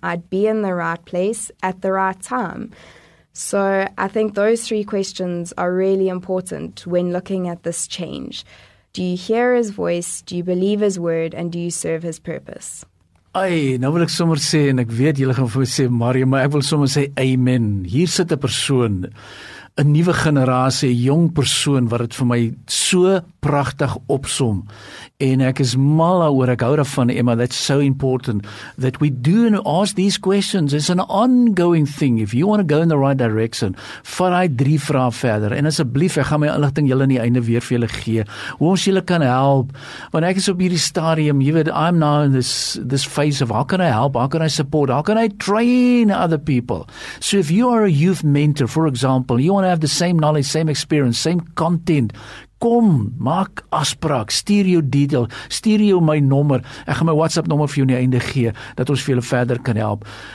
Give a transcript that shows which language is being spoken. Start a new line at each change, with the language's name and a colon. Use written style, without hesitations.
English: I'd be in the right place at the right time. So I think those three questions are really important when looking at this change. Do you hear his voice? Do you believe his word? And do you serve his purpose?
Afrikaans: Ai, nou wil ek sommer sê, en ek weet, julle gaan vir my sê, Mario, maar ek wil sommer sê, amen. Hier sit 'n persoon, 'n nuwe generasie, 'n jong persoon, wat het vir my so prachtig opsom. En ek is mal oor, ek hou daarvan,
English: Emma, that's so important, that we do and ask these questions. It's an ongoing thing. If you want to go in the right direction,
Afrikaans: vat hy drie vrae verder. En asseblief, ek gaan my inligting julle in die einde weer vir julle gee, hoe ons julle kan help. Want ek is op hierdie stadium,
English: you know, I'm now in this phase of how can I help, how can I support, how can I train other people. So if you are a youth mentor, for example, you want to have the same knowledge, same experience, same content,
Afrikaans: kom, maak afspraak, stuur jou detail, stuur jou my nommer, ek gaan my WhatsApp nommer vir jou in die einde gee, dat ons vir julle verder kan help.